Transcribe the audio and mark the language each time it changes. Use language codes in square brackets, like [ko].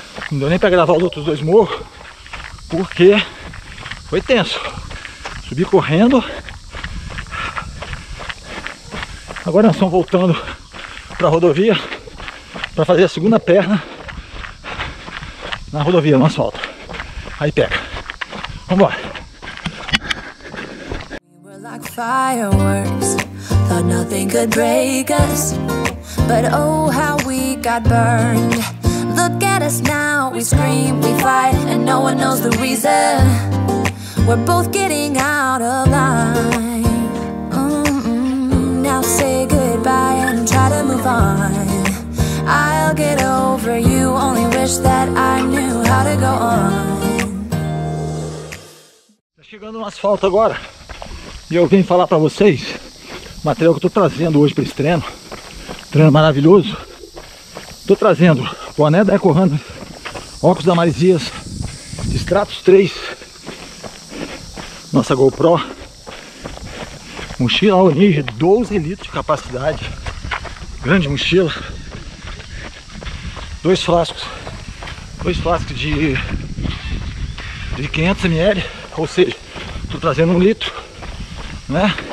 [pt] Não deu nem pra gravar os outros dois morros, porque foi tenso. Subi correndo. Agora nós estamos voltando para a rodovia para fazer a segunda perna na rodovia, no asfalto. Aí pega. Vambora. [en] We were like fireworks, thought nothing could break us. But oh, how we got burned. Look at us now, we scream, we fight, and no one knows the reason. We're both getting out of line. Now say goodbye and try to move on. I'll get over you, only wish that I knew how to go on. [pt] Chegando no asfalto agora, e eu vim falar pra vocês o material que eu tô trazendo hoje pra esse treino. Treino maravilhoso. Tô trazendo boné da Eco Runner, óculos da Marizias, Stratos 3, nossa GoPro, mochila Onige, 12 litros de capacidade, grande mochila, dois flascos de 500 ml, ou seja, estou trazendo 1 litro, né?